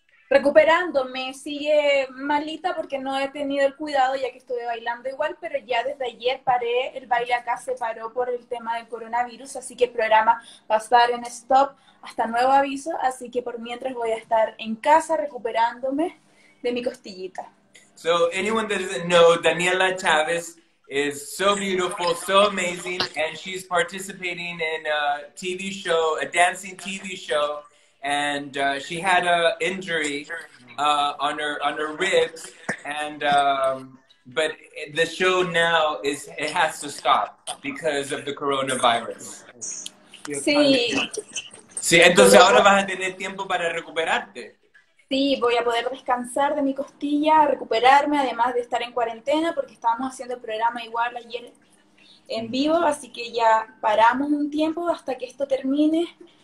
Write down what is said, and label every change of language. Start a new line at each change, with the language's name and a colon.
Spanish: Recuperándome, sigue malita porque no he tenido el cuidado ya que estuve bailando igual, pero ya desde ayer paré, el baile acá se paró por el tema del coronavirus, así que el programa va a estar en stop hasta nuevo aviso, así que por mientras voy a estar en casa recuperándome de mi costillita.
English: So, anyone that doesn't know, Daniela Chávez is so beautiful, so amazing, and she's participating in a TV show, a dancing TV show, and she had an injury on her ribs, and but the show now it has to stop because of the coronavirus.
Spanish: Sí. Sí, entonces ahora vas a tener tiempo para recuperarte. Sí, voy a poder descansar de mi costilla, recuperarme, además de estar en cuarentena, porque estábamos haciendo el programa igual ayer en vivo, así que ya paramos un tiempo hasta que esto termine.